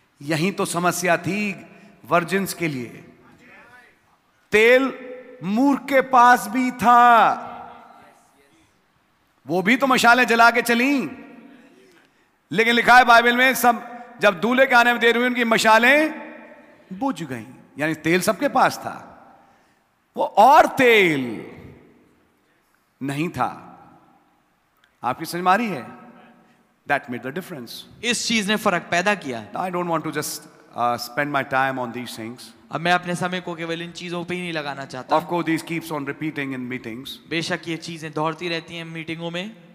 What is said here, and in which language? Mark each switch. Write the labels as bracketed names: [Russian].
[Hindi] यही तो समस्या थी वर्जिन्स के लिए। तेल मूर्ख के पास भी था, वो भी तो मशालें जला के चली, लेकिन लिखा है बाइबल में सब जब दूल्हे के आने में देर हुई उनकी मशालें बुझ गईं, यानी तेल सबके पास था, वो और तेल नहीं था। आपकी समझ मारी है? [English] That made the difference. [Hindi] इस चीज ने फर्क पैदा किया। [English] I don't want to just spend my time on these things. [Hindi] अब मैं अपने समय को केवल इन चीजों पे ही नहीं लगाना चाहता। [English] Of course, these keeps on repeating in meetings. [Hindi] बेशक ये चीजें दोहरती रहती हैं मीटिंगों में।